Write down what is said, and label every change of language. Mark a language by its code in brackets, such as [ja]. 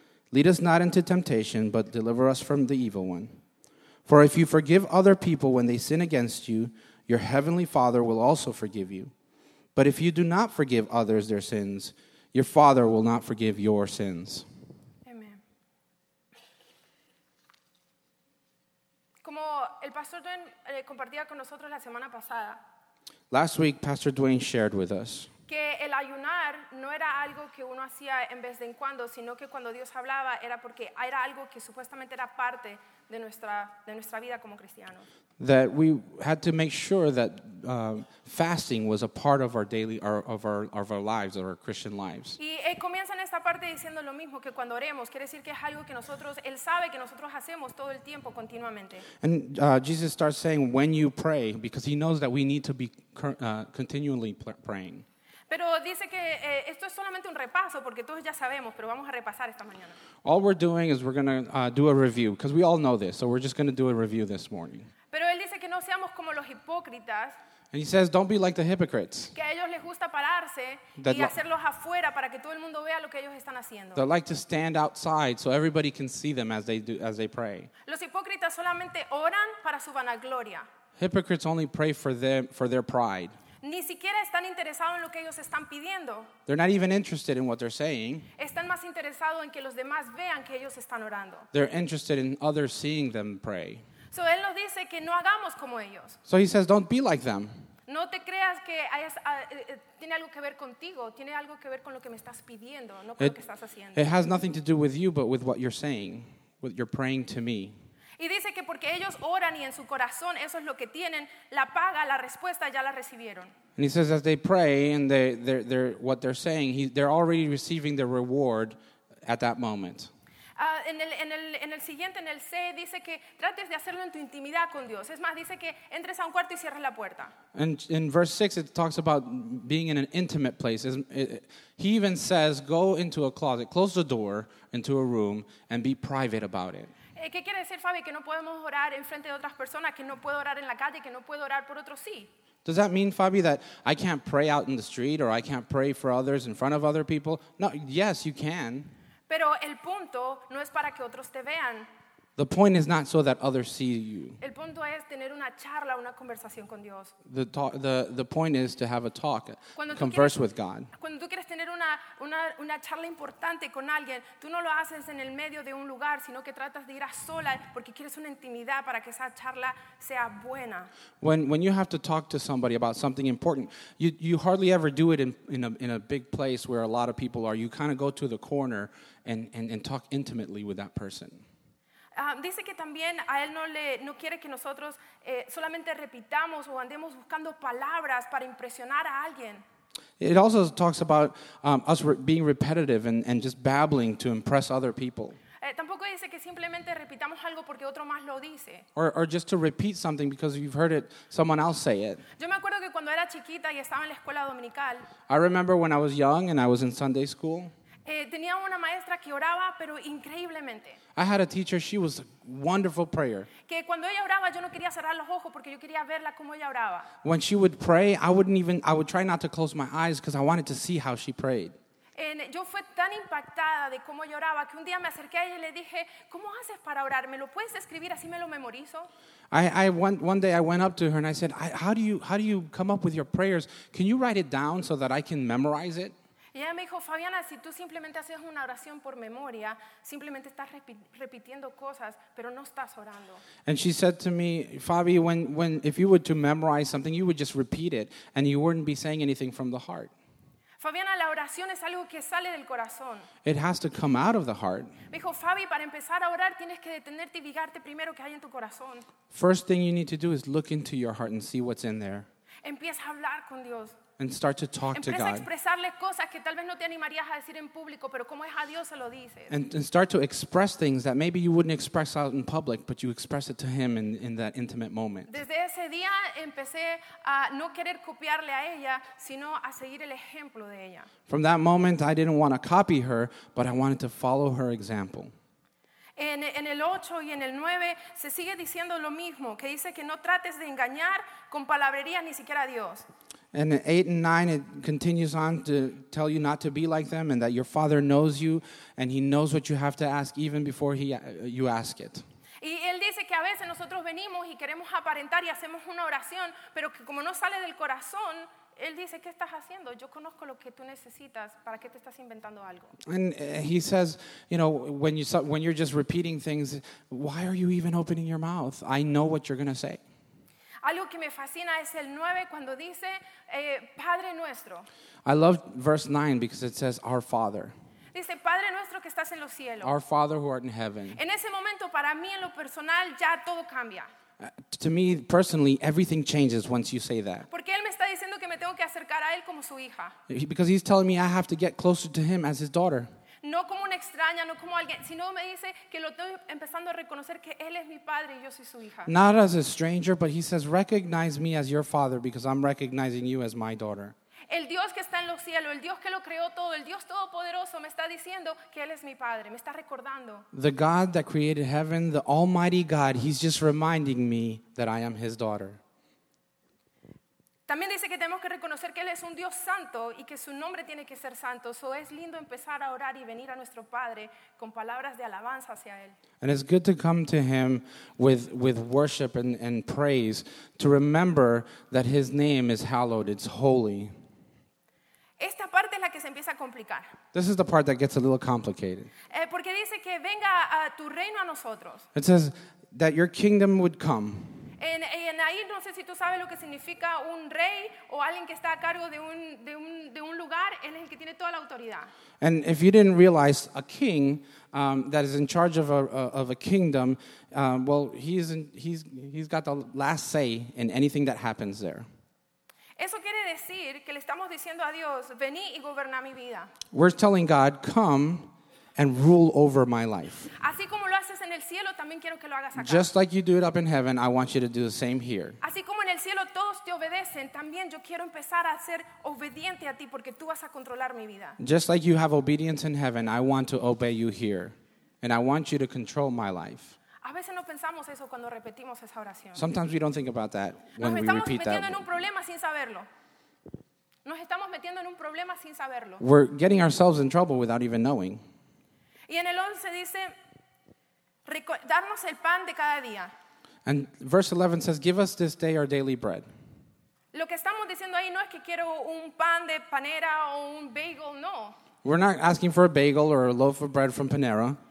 [en] Lead us not into temptation, but deliver us from the evil one. For if you forgive other people when they sin against you, your heavenly Father will also forgive you. But if you do not forgive others their sins, your Father will not forgive your sins. Amen. [es] Como el pastor Dwayne compartía con nosotros la semana pasada, [en] last week Pastor Dwayne shared with us [es] que el ayunar no era algo que uno hacía en vez de en cuando, sino que cuando Dios hablaba era porque era algo que supuestamente era parte de nuestra vida como cristianos. [en] That we had to make sure that fasting was a part of our daily, of our lives, of our Christian lives. [es] Y comienza en esta parte diciendo lo mismo, que cuando oremos, quiere decir que es algo que nosotros, Él sabe que nosotros hacemos todo el tiempo, continuamente. [en] And Jesus starts saying, when you pray, because he knows that we need to be continually praying. [es] Pero dice que esto es solamente un repaso, porque todos ya sabemos, pero vamos a repasar esta mañana. [en] All we're doing is we're going to do a review, because we all know this, so we're just going to do a review this morning. [es] Pero él dice que no seamos como los hipócritas. [en] And he says, don't be like the hypocrites. [es] Que a ellos les gusta pararse y hacerlos afuera para que todo el mundo vea lo que ellos están haciendo. [en] They like to stand outside so everybody can see them as they pray. [es] Los hipócritas solamente oran para su vanagloria. [en] Hypocrites only pray for their pride. [es] Ni siquiera están interesados en lo que ellos están pidiendo. [en] They're not even interested in what they're saying. [es] Están más interesados en que los demás vean que ellos están orando. [en] They're interested in others seeing them pray. [es] So él nos dice que no hagamos como ellos. [en] So he says, don't be like them. [es] No te creas que tiene algo que ver contigo, tiene algo que ver con lo que me estás pidiendo, no con lo que estás haciendo. [en] It has nothing to do with you, but with what you're saying, what you're praying to me. [es] Y dice que porque ellos oran y en su corazón eso es lo que tienen, la paga, la respuesta ya la recibieron. [en] And he says, as they pray and they're what they're saying, they're already receiving the reward at that moment. [es] En el siguiente, en el C, dice que trates de hacerlo en tu intimidad con Dios. Es más, dice que entres a un cuarto y cierres la puerta. [en] In verse 6, it talks about being in an intimate place. He even says, go into a closet, close the door into a room, and be private about it. [es] ¿Qué quiere decir, Fabi, que no podemos orar en frente de otras personas, que no puedo orar en la calle, que no puedo orar por otros? Sí. [en] Does that mean, Fabi, that I can't pray out in the street or I can't pray for others in front of other people? No, yes, you can. [es] Pero el punto no es para que otros te vean. [en] The point is not so that others see you. [es] El punto es tener una charla, una conversación con Dios. [en] The point is to have a talk, converse with God. [es] Cuando tú quieres tener una charla importante con alguien, tú no lo haces en el medio de un lugar, sino que tratas de ir a solas porque quieres una intimidad para que esa charla sea buena. [en] When you have to talk to somebody about something important, you hardly ever do it in a big place where a lot of people are. You kind of go to the corner and talk intimately with that person. [es] Dice que también a él no quiere que nosotros solamente repitamos o andemos buscando palabras para impresionar a alguien. [en] It also talks about us being repetitive and just babbling to impress other people. [es] Tampoco dice que simplemente repitamos algo porque otro más lo dice. [en] Or just to repeat something because you've heard it, someone else say it. [es] Yo me acuerdo que cuando era chiquita y estaba en la escuela dominical. [en] I remember when I was young and I was in Sunday school. [es] Tenía una maestra que oraba, pero increíblemente. [en] I had a teacher, she was a wonderful prayer. [es] Que cuando ella oraba, yo no quería cerrar los ojos porque yo quería verla como ella oraba. [en] When she would pray, I would try not to close my eyes because I wanted to see how she prayed. [es] Yo fue tan impactada de cómo ella oraba que un día me acerqué a ella y le dije, ¿cómo haces para orar? ¿Me lo puedes escribir así me lo memorizo? [en] One day I went up to her and I said, how do you come up with your prayers? Can you write it down so that I can memorize it? [es] Y ella me dijo, Fabiana, si tú simplemente haces una oración por memoria, simplemente estás repitiendo cosas, pero no estás orando. [en] And she said to me, Fabi, when if you were to memorize something, you would just repeat it, and you wouldn't be saying anything from the heart. [es] Fabiana, la oración es algo que sale del corazón. [en] It has to come out of the heart. [es] Me dijo, Fabi, para empezar a orar tienes que detenerte y fijarte primero que hay en tu corazón. [en] First thing you need to do is look into your heart and see what's in there. [es] Empieza a hablar con Dios. [en] And start to talk to God. [es] Empieza a expresarle cosas que tal vez no te animarías a decir en público, pero como es a Dios se lo dices. [en] And start to express things that maybe you wouldn't express out in public, but you express it to Him in that intimate moment. [es] Desde ese día empecé a no querer copiarle a ella, sino a seguir el ejemplo de ella. [en] From that moment, I didn't want to copy her, but I wanted to follow her example. [es] En el 8 y en el 9 se sigue diciendo lo mismo, que dice que no trates de engañar con palabrería ni siquiera a Dios. [en] And in 8 and 9, it continues on to tell you not to be like them and that your Father knows you and He knows what you have to ask even before you ask it. [es] Y él dice que a veces nosotros venimos y queremos aparentar y hacemos una oración, pero que como no sale del corazón, él dice, ¿qué estás haciendo? Yo conozco lo que tú necesitas. ¿Para qué te estás inventando algo? [en] And he says, you know, when you're just repeating things, why are you even opening your mouth? I know what you're going to say. [es] Algo que me fascina es el 9 cuando dice, Padre nuestro. [en] I love verse 9 because it says, our Father. [es] Dice, Padre nuestro que estás en los cielos. [en] Our Father who art in heaven. [es] En ese momento, para mí, en lo personal, ya todo cambia. [en] To me, personally, everything changes once you say that. [es] Porque él me está diciendo que me tengo que acercar a él como su hija. [en] Because he's telling me I have to get closer to him as his daughter. [es] No como una extraña, no como alguien, sino me dice que lo estoy empezando a reconocer que él es mi padre y yo soy su hija. [en] Not as a stranger, but he says, recognize me as your father because I'm recognizing you as my daughter. [es] El Dios que está en los cielos, el Dios que lo creó todo, el Dios todopoderoso me está diciendo que él es mi padre, me está recordando. [en] The God that created heaven, the Almighty God, he's just reminding me that I am his daughter. [es] También dice que tenemos que reconocer que él es un Dios santo y que su nombre tiene que ser santo. So es lindo empezar a orar y venir a nuestro Padre con palabras de alabanza hacia él. [en] And it's good to come to him with worship and praise to remember that his name is hallowed, it's holy. [es] Esta parte es la que se empieza a complicar. [en] This is the part that gets a little complicated. [es] Porque dice que venga a tu reino a nosotros. [en] It says that your kingdom would come. [es] En ahí no sé si tú sabes lo que significa un rey o alguien que está a cargo de un lugar, él es el que tiene toda la autoridad. [en] And if you didn't realize, a king that is in charge of a kingdom, he's got the last say in anything that happens there. [es] Eso quiere decir que le estamos diciendo a Dios, vení y goberna mi vida. [en] We're telling God, come and rule over my life. [es] Así como lo haces en el cielo, también quiero que lo hagas acá. [en] Just like you do it up in heaven, I want you to do the same here. [es] Así como en el cielo todos te obedecen, también yo quiero empezar a ser obediente a ti porque tú vas a controlar mi vida. [en] Just like you have obedience in heaven, I want to obey you here. And I want you to control my life. [es] A veces no pensamos eso cuando repetimos esa oración. [en] Sometimes we don't think about that when we repeat that. [es] Nos estamos metiendo en un problema sin saberlo. Nos estamos metiendo en un problema sin saberlo. [en] We're getting ourselves in trouble without even knowing. [es] Y en el 11 dice, darnos el pan de cada día. [en] And verse 11 says, give us this day our daily bread. [es] Lo que estamos diciendo ahí no es que quiero un pan de panera o un bagel, no. [en] We're not asking for a bagel or a loaf of bread from Panera.